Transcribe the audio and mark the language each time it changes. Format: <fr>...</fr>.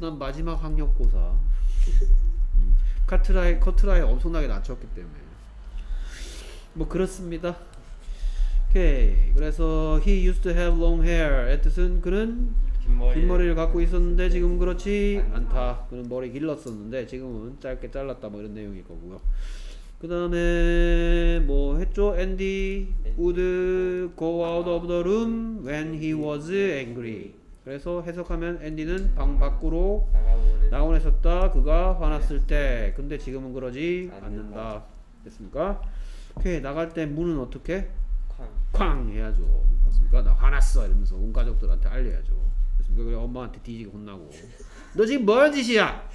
<ko>난 마지막 학력고사 커트라이 엄청나게 낮췄기 때문에 뭐 그렇습니다.</ko> <en>오케이. 그래서 he used to have long hair</en> <ko>의 뜻은 그는 긴 머리를 갖고 있었는데 지금 그렇지 않다. 그는 머리 길렀었는데 지금은 짧게 잘랐다 뭐 이런 내용일 거고요. 그 다음에 뭐 했죠?</ko> <en>Andy would go out of the room when he was angry.</en> <ko>그래서 해석하면 앤디는 방 밖으로 나오곤 했었다. 그가 화났을 때 근데 지금은 그러지 않는다 됐습니까? 오케이. 나갈 때 문은 어떻게? 쾅 해야죠. 맞습니까? 나 화났어 이러면서 온 가족들한테 알려야죠. 그래서 그래 엄마한테 뒤지게 혼나고 너 지금 뭔 짓이야?</ko>